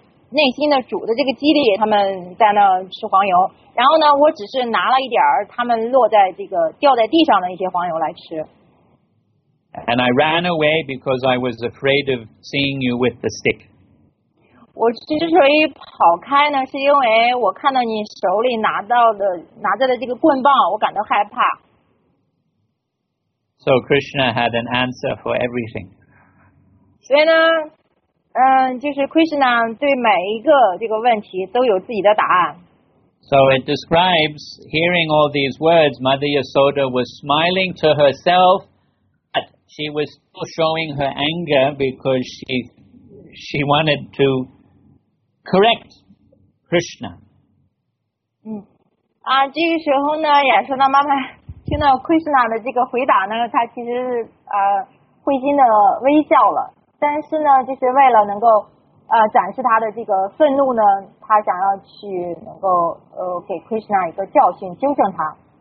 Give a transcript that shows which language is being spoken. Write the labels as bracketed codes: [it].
[zh] 内心的主的这个激励，他们在那吃黄油。然后呢，我只是拿了一点儿他们落在这个掉在地上的一些黄油来吃。 [en] And I ran away because I was afraid of seeing you with the stick. [zh] 我之所以跑开呢，是因为我看到你手里拿着的这个棍棒，我感到害怕。 [en] So Krishna had an answer for everything. [zh] 所以呢，就是 Krishna 对每一个这个问题都有自己的答案。 [en] So it describes hearing all these words, Mother Yasoda was smiling to herself, but she was still showing her anger because she wanted to correct Krishna. [zh] 这个时候呢，亚瑟的妈妈听到 Krishna 的这个回答呢，她其实会心的微笑了，但是呢，就是为了能够展示他的这个愤怒呢，他想要去能够给 Krishna 一个教训，纠正他。